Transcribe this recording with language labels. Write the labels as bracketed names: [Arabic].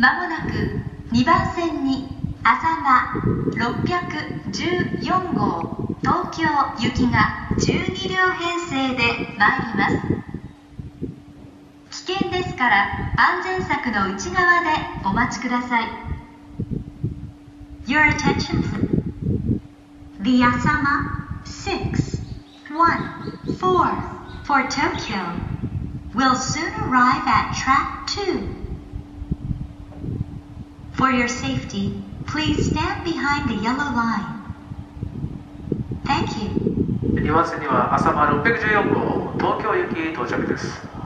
[Japanese] まもなく2番線に浅間614号東京行きが12両編成で参ります。危険ですから安全柵の内側でお待ちください。 [English] Your attention please. The Asama 614 for Tokyo will soon arrive at track 2. For your safety, please stand behind the yellow line. [Japanese] 2番線には浅間614号東京行き到着です。